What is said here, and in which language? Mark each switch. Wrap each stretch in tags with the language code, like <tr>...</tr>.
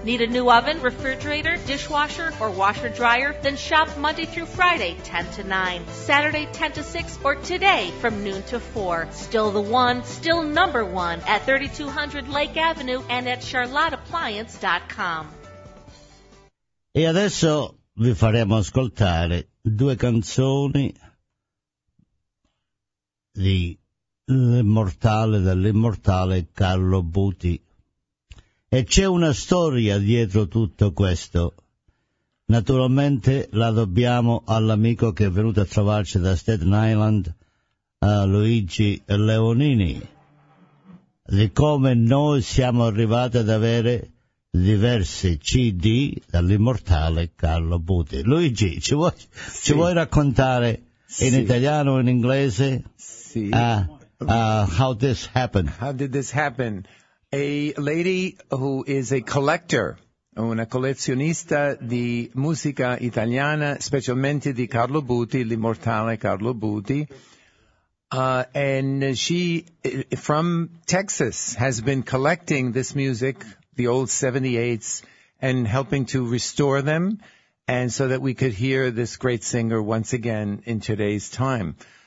<en>Need a new oven, refrigerator, dishwasher, or washer-dryer? Then shop Monday through Friday, 10 to 9, Saturday, 10 to 6, or today from noon to 4. Still the one, still number one at 3200 Lake Avenue and at charlotteappliance.com.</en> <it>E adesso vi faremo ascoltare due canzoni di L'Immortale, dell'immortale Carlo Buti. E c'è una storia dietro tutto questo. Naturalmente la dobbiamo all'amico che è venuto a trovarci da Staten Island, a Luigi Leonini, di come noi siamo arrivati ad avere diversi CD dall'immortale Carlo Buti. Luigi, ci vuoi raccontare in italiano o in inglese? Sì.</it> <en>How this happened? How did this happen? A lady who is a collector,</en> <it>una collezionista di musica italiana, specialmente di Carlo Buti,</it> <en>l'immortale Carlo Buti, and she from Texas has been collecting this music, the old 78s, and helping to restore them, and so that we could hear this great singer once again in today's time.</en>